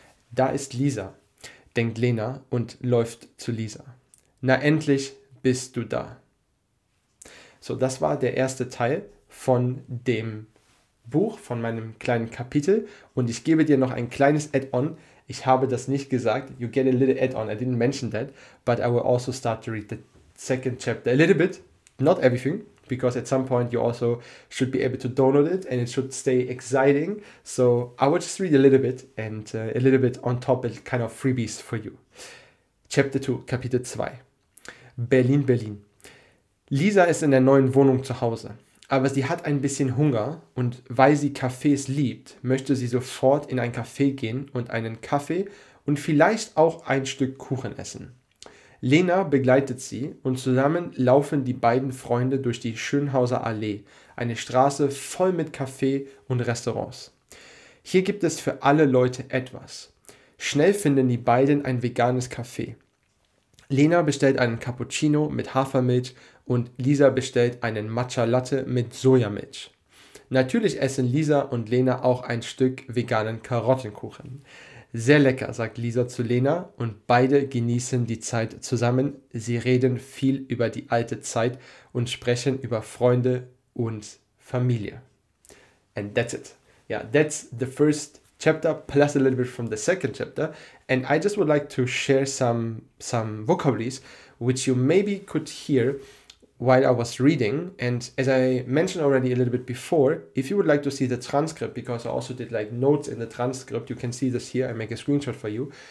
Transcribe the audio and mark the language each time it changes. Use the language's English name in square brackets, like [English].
[German] Da ist Lisa, denkt Lena und läuft zu Lisa. Na endlich bist du da. So, das war der erste Teil von dem Buch, von meinem kleinen Kapitel. Und ich gebe dir noch ein kleines Add-on. Ich habe das nicht gesagt. [English] You get a little add-on. I didn't mention that. But I will also start to read the second chapter a little bit. Not everything, because at some point you also should be able to download it and it should stay exciting. So I will just read a little bit and a little bit on top, it kind of freebies for you. [German] Chapter 2, Kapitel 2. Berlin, Berlin. Lisa ist in der neuen Wohnung zu Hause. aber sie hat ein bisschen Hunger und weil sie Cafés liebt, möchte sie sofort in ein Café gehen und einen Kaffee und vielleicht auch ein Stück Kuchen essen. Lena begleitet sie und zusammen laufen die beiden Freunde durch die Schönhauser Allee, eine Straße voll mit Cafés und Restaurants. Hier gibt es für alle Leute etwas. Schnell finden die beiden ein veganes Café. Lena bestellt einen Cappuccino mit Hafermilch und Lisa bestellt einen Matcha Latte mit Sojamilch. Natürlich essen Lisa und Lena auch ein Stück veganen Karottenkuchen. Sehr lecker, sagt Lisa zu Lena und beide genießen die Zeit zusammen. Sie reden viel über die alte Zeit und sprechen über Freunde und Familie. [English] And that's it. Yeah, that's the first chapter plus a little bit from the second chapter. And I just would like to share some vocabularies which you maybe could hear while I was reading. And as I mentioned already a little bit before, if you would like to see the transcript, because I also did like notes in the transcript, you can see this here, I make a screenshot for you.